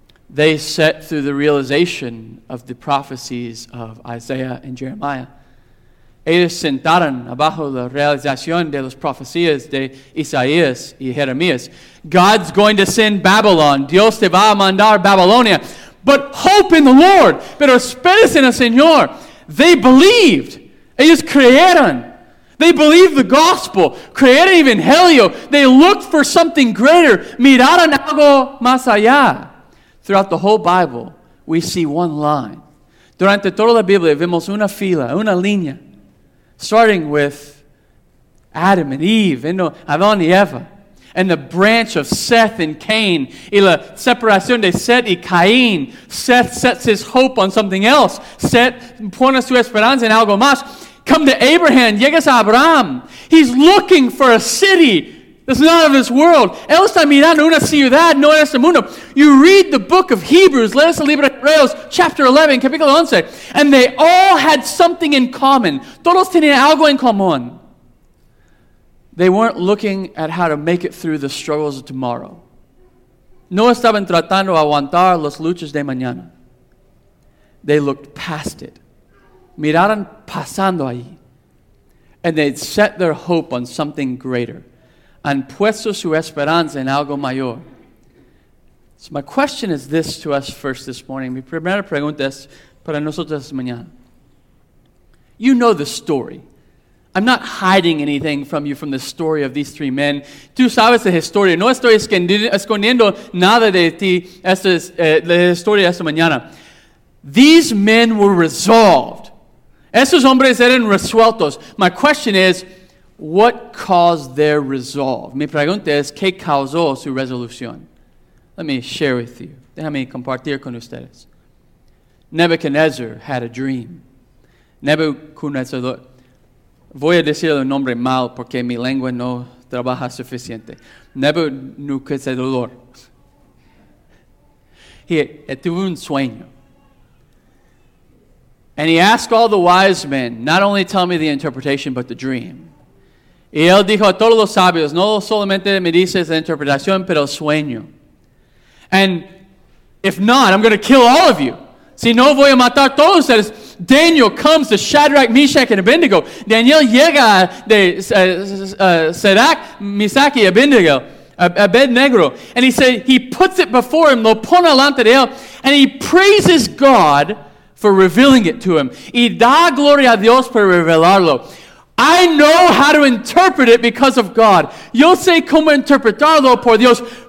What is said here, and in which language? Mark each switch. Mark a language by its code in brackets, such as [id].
[en] They set through the realization of the prophecies of Isaiah and Jeremiah. [es] Ellos sentaron abajo la realización de las profecías de Isaías y Jeremías. [en] God's going to send Babylon. [es] Dios te va a mandar Babilonia. [en] But hope in the Lord. [es] Pero esperes en el Señor. [en] They believed. [es] Ellos creyeron. [en] They believed the gospel, [es] creyeron en Evangelio. [en] They looked for something greater. [es] Miraron algo más allá. [en] Throughout the whole Bible, we see one line. [es] Durante toda la Biblia, vemos una fila, una línea. [en] Starting with Adam and Eve, and Adán y Eva. And the branch of Seth and Cain. [es] Y la separación de Seth y Caín. [en] Seth sets his hope on something else. [es] Seth pone su esperanza en algo más. [en] Come to Abraham, [es] llegas a Abraham. [en] He's looking for a city that's not of this world. [es] Él está mirando una ciudad, no en este mundo. [en] You read the book of Hebrews, let us [es] libre Hebreos, [en] chapter 11, [es] capítulo 11, [en] and they all had something in common. [es] Todos tenían algo en común. [en] They weren't looking at how to make it through the struggles of tomorrow. [es] No estaban tratando de aguantar las luchas de mañana. [en] They looked past it. [es] Miraron pasando ahí. [en] And they'd set their hope on something greater. [es] Han puesto su esperanza en algo mayor. [en] So my question is this to us first this morning. [es] Mi primera pregunta es para nosotros esta mañana. [en] You know the story. I'm not hiding anything from you from the story of these three men. [es] Tú sabes la historia. No estoy escondiendo nada de ti esta, la historia esta mañana. [en] These men were resolved. [es] Esos hombres eran resueltos. [en] My question is, what caused their resolve? [es] Mi pregunta es, ¿qué causó su resolución? [en] Let me share with you. [es] Déjame compartir con ustedes. Nebuchadnezzar had a dream. Nebuchadnezzar, voy a decir el nombre mal porque mi lengua no trabaja suficiente. Nebuchadnezzar. He tuvo un sueño. [en] And he asked all the wise men, not only tell me the interpretation, but the dream. [es] Y él dijo a todos los sabios, no solamente me dices la interpretación, pero el sueño. [en] And if not, I'm going to kill all of you. [es] Si no, voy a matar todos ustedes. [en] Daniel comes to Shadrach, Meshach, and Abednego. [es] Daniel llega de Shadrach, Meshach, y Abednego. [en] Abednego. And he said, he puts it before him, [es] lo pone delante de él, [en] and he praises God for revealing it to him. [es] Y da gloria a Dios por revelarlo. [en] I know how to interpret it because of God. [es] Yo sé cómo interpretarlo por Dios.